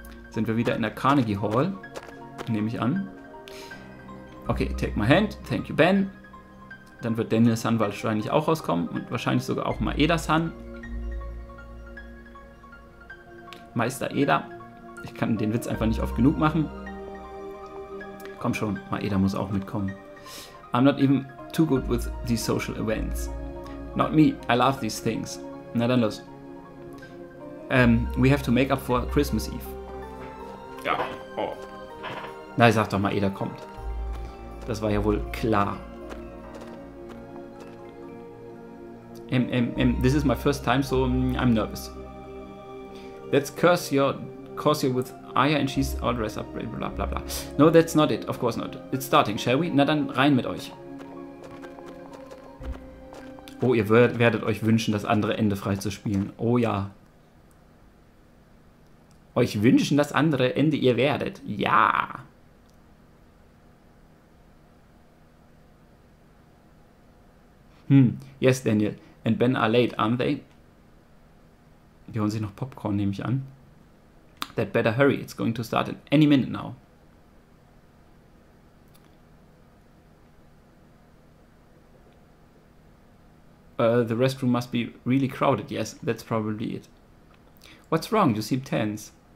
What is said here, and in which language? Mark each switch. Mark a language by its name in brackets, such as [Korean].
[German] Sind wir wieder in der Carnegie Hall. Nehme ich an. [English] Okay, take my hand. Thank you, Ben. [German] dann wird Daniel-san wahrscheinlich auch rauskommen und wahrscheinlich sogar auch Maeda-san. Meister Eda. Ich kann den Witz einfach nicht oft genug machen. Komm schon, Maeda muss auch mitkommen. [English] I'm not even too good with these social events. Not me, I love these things. [German] Na dann los. [English] We have to make up for Christmas Eve. [German] Ja, oh. Na, ich sag doch mal, Eda kommt. Das war ja wohl klar. [English] This is my first time, so I'm nervous. Let's curse you with Aya and she's all dressed up, blah blah blah. No, that's not it, of course not. It's starting, shall we? [German] Na dann rein mit euch. Oh, ihr werdet euch wünschen, das andere Ende frei zu spielen. Oh ja. Euch wünschen, das andere Ende ihr werdet. Ja. [English] Yes, Daniel. And Ben are late, aren't they? [German] Die holen sich noch Popcorn, nehme ich an. [English] That better hurry. It's going to start in any minute now. The restroom must be really crowded. Yes, that's probably it. What's wrong? You seem tense.